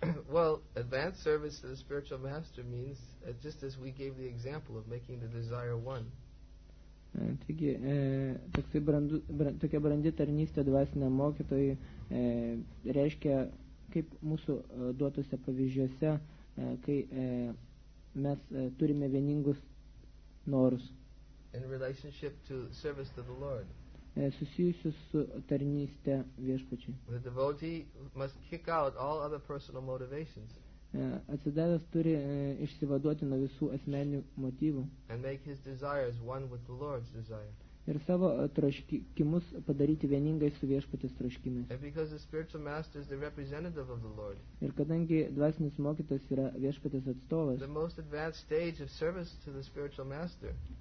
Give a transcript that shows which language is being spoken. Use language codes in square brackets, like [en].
[en] Well, advanced service to the spiritual master means just as we gave the example of making the desire one. [lt] Tokia brandi tarnystė dvasiniam mokytojui reiškia kaip mūsų duotose pavyzdžiuose, kai mes turime vieningus norus. [en] In relationship to service to the Lord. [lt] Susijusius su tarnyste viešpačiui. [en] The devotee must kick out all other personal motivations. [lt] Atsidavęs turi išsivaduoti nuo visų asmeninių motyvų. [en] And make his desires one with the Lord's desire. [lt] Ir savo troškimus padaryti vieningai su viešpatės troškimais. [en] And because the spiritual master is the representative of the Lord. [lt] Ir kadangi dvasinis mokytas yra viešpatės atstovas. [en] The most advanced stage of service to the spiritual master.